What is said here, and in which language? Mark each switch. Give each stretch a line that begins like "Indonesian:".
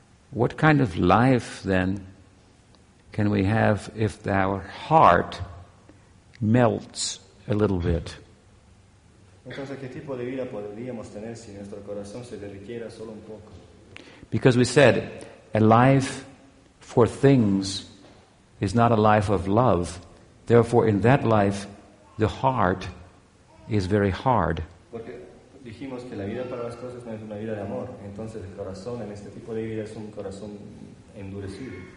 English: What kind of life then can we have if our heart melts a little bit?
Spanish: Entonces, ¿qué tipo de vida podríamos tener si nuestro corazón se derritiera solo un poco?
English: Because we said, a life for things is not a life of love. Therefore, in that life, the heart is very hard.
Spanish: Porque dijimos que la vida para las cosas no es una vida de amor. Entonces, el corazón en este tipo de vida es un corazón endurecido.